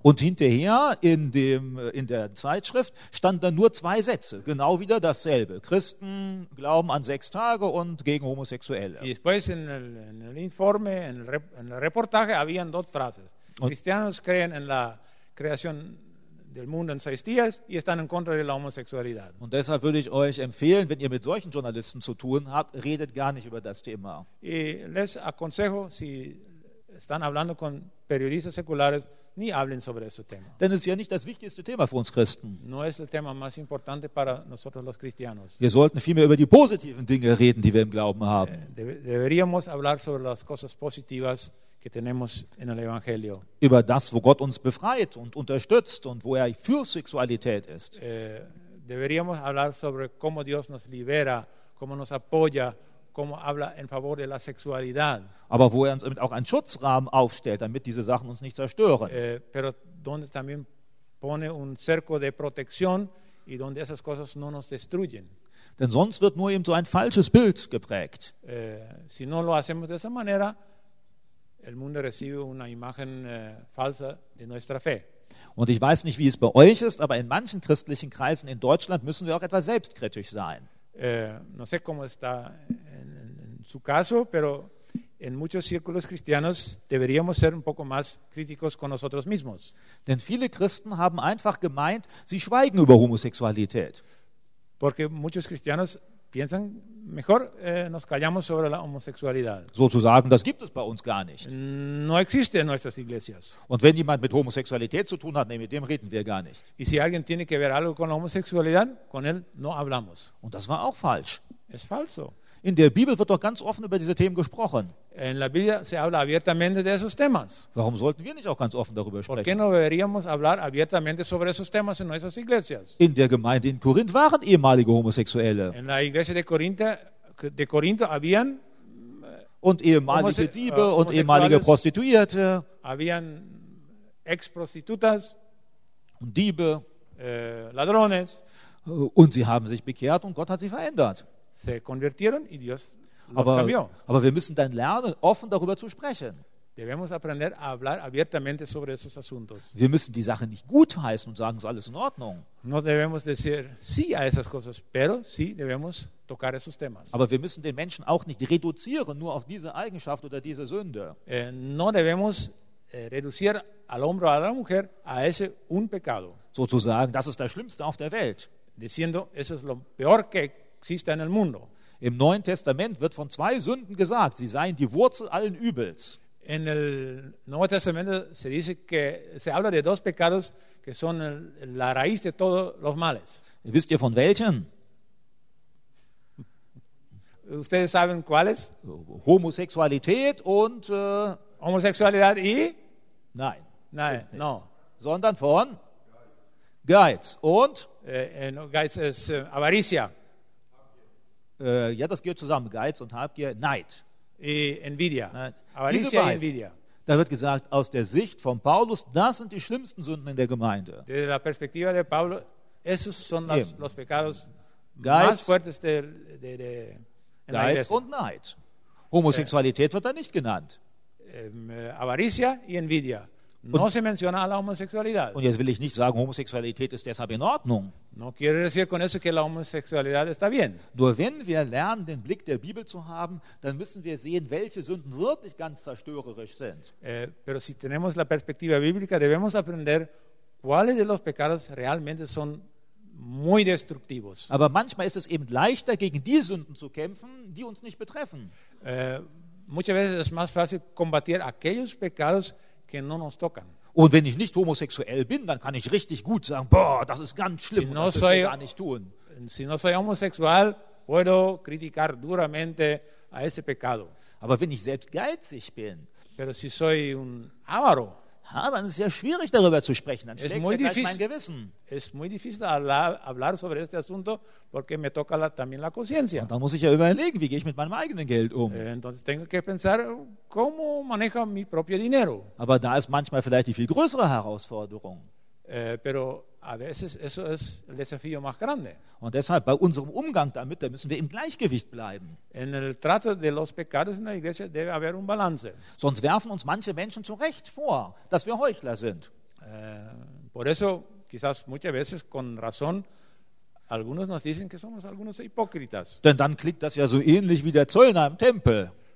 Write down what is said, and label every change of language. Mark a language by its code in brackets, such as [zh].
[de] Und hinterher in der Zeitschrift standen dann nur zwei Sätze, genau wieder dasselbe. Christen glauben an sechs Tage und gegen Homosexuelle. [es] Y después en el informe, en el reportaje, habían dos frases. Cristianos creen en la creación del mundo en seis días y están en contra de la homosexualidad. [de] Und deshalb würde ich euch empfehlen, wenn ihr mit solchen Journalisten zu tun habt, redet gar nicht über das Thema. [es] Y les aconsejo, si están hablando con periodistas seculares, ni hablen sobre ese tema. [de] Denn es ist ja nicht das wichtigste Thema für uns Christen. [es] No es el tema más importante para nosotros los cristianos. [de] Wir sollten vielmehr über die positiven Dinge reden, die wir im Glauben haben. [es] Deberíamos hablar sobre las cosas positivas que tenemos en el Evangelio. [de] Über das, wo Gott uns befreit und unterstützt und wo er für Sexualität ist. [es] Deberíamos hablar sobre cómo Dios nos libera, cómo nos apoya, como habla en favor de la sexualidad. [de] Aber wo er uns damit auch einen Schutzrahmen aufstellt, damit diese Sachen uns nicht zerstören. [es] Pero donde también pone un cerco de protección y donde esas cosas no nos destruyen. [de] Denn sonst wird nur eben so ein falsches Bild geprägt. [es] Si no lo hacemos de esa manera, el mundo recibe una imagen falsa de nuestra fe. [de] Und ich weiß nicht, wie es bei euch ist, aber in manchen christlichen Kreisen in Deutschland müssen wir auch etwas selbstkritisch sein. [es] No sé cómo está en su caso, pero en muchos círculos cristianos deberíamos ser un poco más críticos con nosotros mismos. [de] Denn viele Christen haben einfach gemeint, sie schweigen über Homosexualität. [es] Porque muchos cristianos piensan mejor nos callamos sobre la homosexualidad. [de] Sozusagen, das gibt es bei uns gar nicht. [es] No existe en nuestras iglesias. [de] Und wenn jemand mit Homosexualität zu tun hat, nee, mit dem reden wir gar nicht. [es] Y si alguien tiene que ver algo con la homosexualidad, con él no hablamos. [de] Und das war auch falsch. [es] Es falso. [de] In der Bibel wird doch ganz offen über diese Themen gesprochen. [es] En la Biblia se habla abiertamente de esos temas. [de] Warum sollten wir nicht auch ganz offen darüber sprechen? [es] ¿Por qué no deberíamos hablar abiertamente sobre esos temas en nuestras iglesias? [de] In der Gemeinde in Korinth waren ehemalige Homosexuelle. [es] En la iglesia de Corinto habían [de] und ehemalige Diebe und ehemalige Prostituierte. [es] Habían ex-prostitutas, [de] Diebe, [es] ladrones. [de] Und sie haben sich bekehrt und Gott hat sie verändert. [es] Se convirtieron y Dios los cambió. [de] Aber wir müssen dann lernen, offen darüber zu sprechen. [es] Debemos aprender a hablar abiertamente sobre esos asuntos. [de] Wir müssen die Sache nicht gutheißen und sagen, es ist alles in Ordnung. [es] No debemos decir sí a esas cosas, pero sí debemos tocar esos temas. [de] Aber wir müssen den Menschen auch nicht reduzieren nur auf diese Eigenschaft oder diese Sünde. [es] No debemos reducir al hombre o a la mujer a ese un pecado. [de] Sozusagen, das ist das Schlimmste auf der Welt. [es] Diciendo, eso es lo peor que existe en el mundo. [de] Im Neuen Testament wird von zwei Sünden gesagt, sie seien die Wurzel allen Übels. [es] En el Nuevo Testamento se dice que se habla de dos pecados que son la raíz de todos los males. [de] ¿Wisst ihr von welchen? [es] ¿Ustedes saben cuáles? [de] Homosexualität und [es] Homosexualidad y [de] Nein. Sondern von Geiz und Geiz ist Avaricia. Ja, das gehört zusammen, Geiz und Habgier, Neid. [es] Envidia. Avaricia y envidia. [de] Da wird gesagt, aus der Sicht von Paulus, das sind die schlimmsten Sünden in der Gemeinde. [es] Desde la perspectiva de Pablo, esos son los pecados más fuertes de [de] Geiz und Neid. Homosexualität wird da nicht genannt. [es] Avaricia y envidia. No se menciona a la homosexualidad. [de] Und jetzt will ich nicht sagen, Homosexualität ist deshalb in Ordnung. [es] No quiero decir con eso que la homosexualidad está bien. [de] Nur wenn wir lernen, den Blick der Bibel zu haben, dann müssen wir sehen, welche Sünden wirklich ganz zerstörerisch sind. [es] Pero si tenemos la perspectiva bíblica, debemos aprender cuáles de los pecados realmente son muy destructivos. [de] Aber manchmal ist es eben leichter, gegen die Sünden zu kämpfen, die uns nicht betreffen. [es] Muchas veces es más fácil combatir aquellos pecados que no nos tocan. [de] Und wenn ich nicht homosexuell bin, dann kann ich richtig gut sagen, boah, das ist ganz schlimm, [es] si no [de] und das [es] soy, [de] will ich gar nicht tun. [es] Si no soy homosexual, puedo criticar duramente a ese pecado. [de] Aber wenn ich selbst geizig bin, [es] pero si soy un avaro, [de] dann ist es ja schwierig, darüber zu sprechen, dann schlägt mir gleich mein Gewissen. [es] Es muy difícil hablar sobre este asunto, porque me toca también la conciencia. [de] Und dann muss ich ja überlegen, wie gehe ich mit meinem eigenen Geld um. [es] Entonces tengo que pensar, ¿cómo manejo mi propio dinero? [de] Aber da ist manchmal vielleicht die viel größere Herausforderung. [es] Pero a veces eso es el desafío más grande. [de] Und deshalb, bei unserem Umgang damit, da müssen wir im Gleichgewicht bleiben. [es] En el trato de los pecados en la iglesia debe haber un balance. [de] Sonst werfen uns manche Menschen zu Recht vor, dass wir Heuchler sind. [es] Por eso, quizás muchas veces con razón, algunos nos dicen que somos algunos hipócritas. [de] Denn dann klingt das ja so ähnlich wie der Zöllner im Tempel.